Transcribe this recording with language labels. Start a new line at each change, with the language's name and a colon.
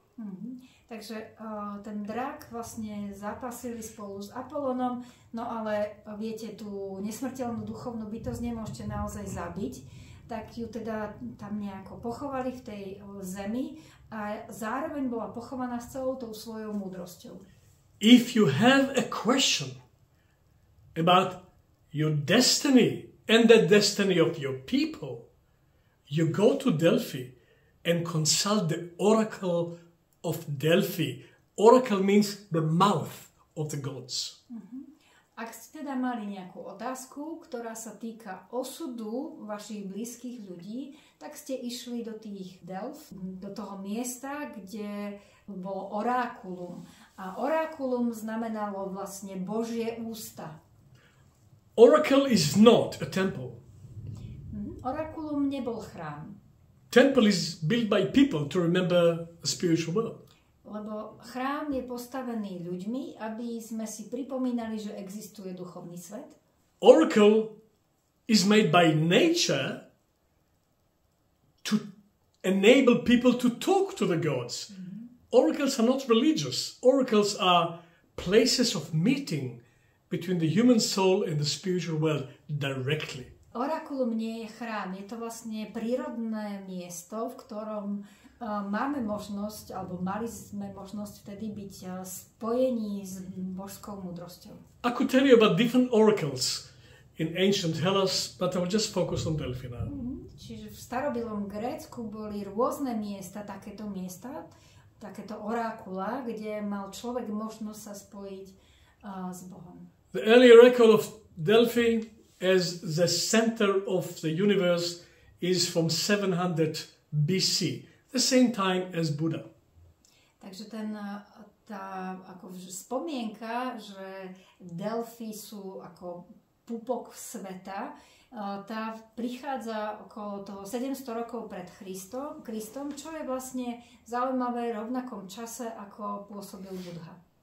Slovak: Mm-hmm. Takže ten drak vlastne zapasili spolu s Apolónom, no ale viete, tú nesmrteľnú duchovnú bytosť nemôžete naozaj zabiť, tak ju teda tam nejako pochovali v tej zemi a zároveň bola pochovaná s celou tou svojou múdrosťou.
English: If you have a question about your destiny and the destiny of your people, you go to Delphi and consult the oracle of Delphi. Oracle means the mouth of the gods.
Slovak: Ak ste teda mali nejakú otázku, ktorá sa týka osudu vašich blízkych ľudí, tak ste išli do tých Delf, do toho miesta, kde bolo orákulum. A orákulum znamenalo vlastne Božie ústa.
English: Oracle is not a temple.
Slovak: Orákulum nebol chrám.
English: Temple is built by people to remember a spiritual world.
Slovak: Lebo chrám je postavený ľuďmi, aby sme si pripomínali, že existuje duchovný svet.
English: Oracle is made by nature to enable people to talk to the gods. Mm-hmm. Oracles are not religious. Oracles are places of meeting between the human soul and the spiritual world directly.
Slovak: Orakulum nie je chrám, je to vlastne prírodné miesto, v ktorom máme možnosť, alebo mali sme možnosť vtedy byť spojení s božskou múdrosťou.
English: I could tell you about different oracles in ancient Hellas, but I will just focus on Delphi now. Mm-hmm.
Slovak: Čiže v starobilom Grécku boli rôzne miesta, takéto miesta, takéto orákula, kde mal človek možnosť sa spojiť s Bohom.
English: The early record of Delphi as the center of the universe is from 700 BC. The same time as Buddha.
Slovak: Takže ten tá ako spomienka, že Delphi sú ako pupok sveta, tá prichádza okolo toho 700 rokov pred Kristom, čo je vlastne zaujímavé v rovnakom čase ako pôsobil Buddha.